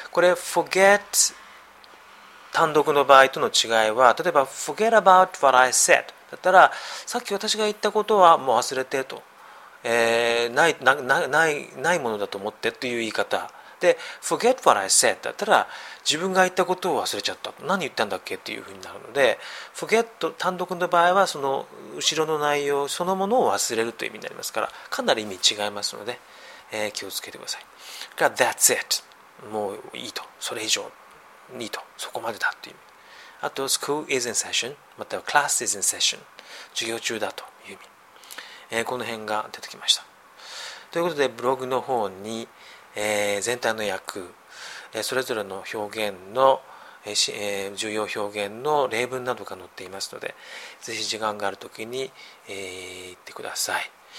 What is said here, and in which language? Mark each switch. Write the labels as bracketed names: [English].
[Japanese] これ、forget 単独の場合との違いは、例えば、 [English] forget about what I said [Japanese] だったら、さっき私が言ったことはもう忘れてと、ないものだと思ってという言い方で、 [English] forget what I said [Japanese] だったら、自分が言ったことを忘れちゃった、何言ったんだっけというふうになるので、forget 単独の場合は、その後ろの内容そのものを忘れるという意味になりますから、かなり意味違いますので。気をつけてください。が、 [English] That's it。 [Japanese] もういいと。それ以上にと。そこまでだという意味。 [English] あと、School is in session。 [Japanese] または [English] Class is in session。 [Japanese] 授業中だという意味。この辺が出てきました。ということで、ブログの方に、全体の訳、それぞれの表現の、重要表現の例文などが載っていますので、ぜひ時間があるときに、行ってください。